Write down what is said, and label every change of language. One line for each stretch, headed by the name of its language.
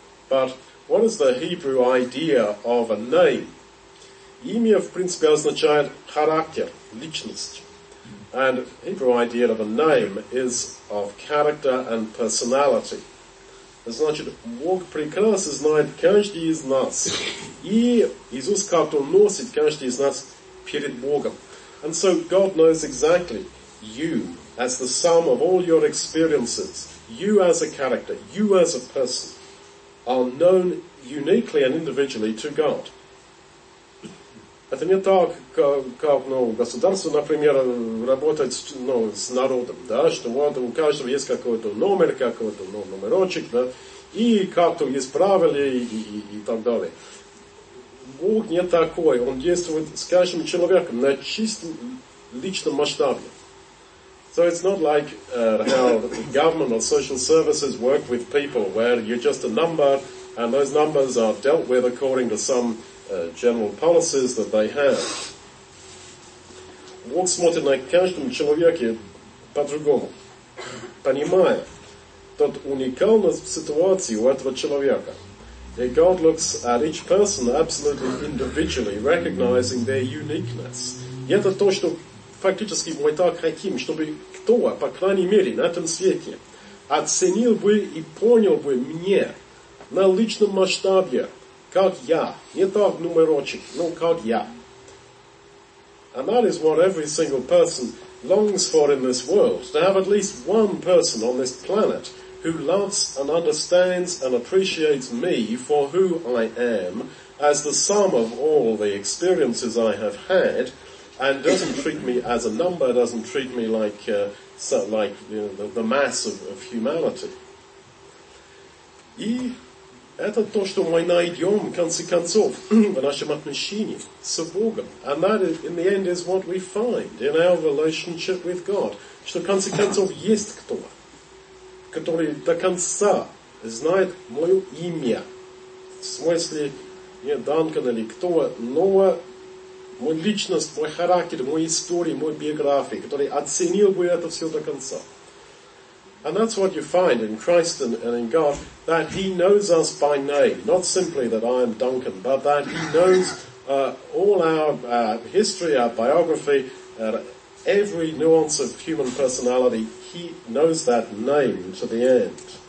English: But what is the Hebrew idea of a name?
Russian: Имя, в принципе, означает характер, личность.
English: And the Hebrew idea of a name is of character and personality. It's not just walk precursor is not
Russian: каждый из нас. И Иисус как-то носит каждый из нас перед Богом.
English: And so God knows exactly you as the sum of all your experiences, you as a character, you as a person, are known uniquely and individually to God.
Russian: Это не так, как ну, государство, например, работает ну, с народом, да, что вот у каждого есть какой-то номер, какой-то ну, номерочек, да, и как-то есть правила и так далее. Бог не такой, Он действует с каждым человеком на чистом личном масштабе.
English: So it's not like how the government or social services work with people, where you're just a number, and those numbers are dealt with according to some general policies that they have.
Russian: Бог смотрит на каждом человеке по-другому, понимая тот уникальность ситуации у этого человека.
English: And God looks at each person absolutely individually, recognizing their uniqueness.
Russian: И это то, что фактически мы так хотим, чтобы кто, по крайней мере, на этом свете, оценил бы и понял бы мне на личном масштабе, как я, не так номерочек, но как я.
English: And that is what every single person longs for in this world, to have at least one person on this planet who loves and understands and appreciates me for who I am as the sum of all the experiences I have had and doesn't treat me as a number, doesn't treat me like you know, the mass of humanity.
Russian: И это то, что мы найдем, в конце концов, в нашем отношении с Богом.
English: And that, is, in the end, is what we find in our relationship with God.
Russian: Что, в конце концов, есть кто, который до конца знает мое имя. В смысле, не Данкан или кто, но мой личность, мой характер, мой история, мой биография, который оценил бы это все до конца.
English: And that's what you find in Christ and in God, that He knows us by name, not simply that I am Duncan, but that He knows all our history, our biography, every nuance of human personality, He knows that name to the end.